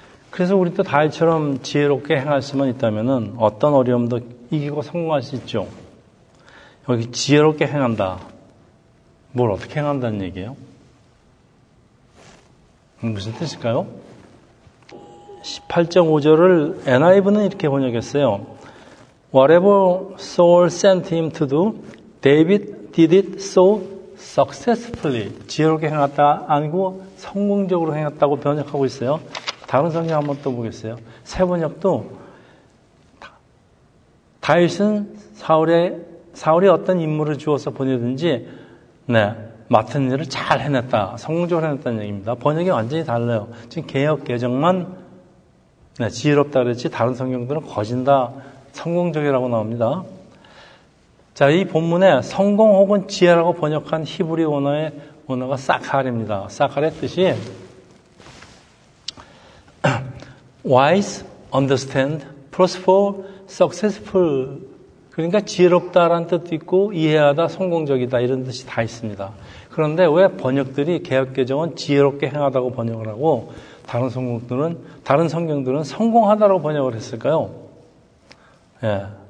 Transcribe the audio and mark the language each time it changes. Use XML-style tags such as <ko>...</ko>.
<ko>그래서 우리도 다윗처럼 지혜롭게 행할 수만 있다면 어떤 어려움도 이기고 성공할 수 있죠. 여기 지혜롭게 행한다. 뭘 어떻게 행한다는 얘기예요? 무슨 뜻일까요? 18장 5절을 NIV는 이렇게 번역했어요.</ko> <en>Whatever Saul sent him to do, David did it so successfully.</en> <ko>지혜롭게 행했다 아니고 성공적으로 행했다고 번역하고 있어요. 다른 성경 한번 또 보겠어요. 새 번역도 다윗은 사울이 어떤 임무를 주어서 보내든지 네, 맡은 일을 잘 해냈다. 성공적으로 해냈다는 얘기입니다. 번역이 완전히 달라요. 지금 개역 개정만 네, 지혜롭다 그랬지 다른 성경들은 거진다 성공적이라고 나옵니다. 자, 이 본문에 성공 혹은 지혜라고 번역한 히브리 원어의 원어가 사칼입니다. 사칼의 뜻이</ko> <en>wise, understand, prosper, successful.</en> <ko>그러니까 지혜롭다라는 뜻도 있고 이해하다, 성공적이다 이런 뜻이 다 있습니다. 그런데 왜 번역들이 개역개정은 지혜롭게 행하다고 번역을 하고 다른 성경들은 성공하다라고 번역을 했을까요? 예.</ko>